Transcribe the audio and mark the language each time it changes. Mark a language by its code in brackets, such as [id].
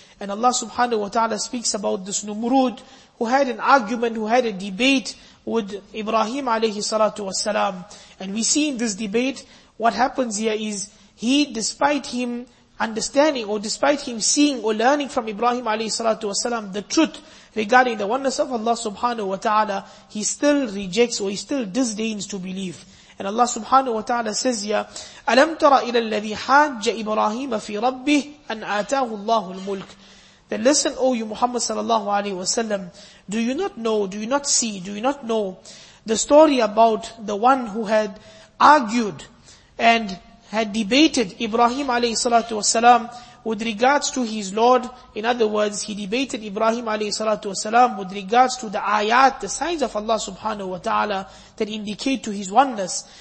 [en] And Allah subhanahu wa ta'ala speaks about this Numrud, who had an argument, who had a debate with Ibrahim alayhi salatu wasalam. And we see in this debate, what happens here is, he, despite him understanding or despite him seeing or learning from Ibrahim alayhi salatu wasalam the truth regarding the oneness of Allah subhanahu wa ta'ala, he still rejects or he still disdains to believe. And Allah subhanahu wa ta'ala says here, [ar] أَلَمْ تَرَ إِلَى الَّذِي حَاجَّ إِبْرَاهِيمَ فِي رَبِّهِ أَنْ آتَاهُ اللَّهُ الْمُلْكِ. [en] Then listen, O you Muhammad sallallahu alayhi wasalam, do you not know, do you not see, do you not know the story about the one who had argued and had debated Ibrahim alayhi salatu wasalam with regards to his Lord? In other words, he debated Ibrahim alayhi salatu wasalam with regards to the ayat, the signs of Allah subhanahu wa ta'ala that indicate to his oneness.